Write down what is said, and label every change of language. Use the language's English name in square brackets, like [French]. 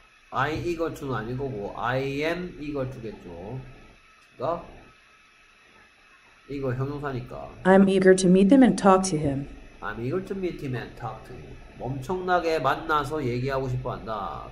[Korean] 아이 이걸 투는 아니고 [English] I am [Korean] 이걸 투겠죠. 그러니까 이거 형용사니까 [English] I'm eager to meet them and talk to him. I'm eager to meet him and talk to him. [Korean] 엄청나게 만나서 얘기하고 싶어 한다.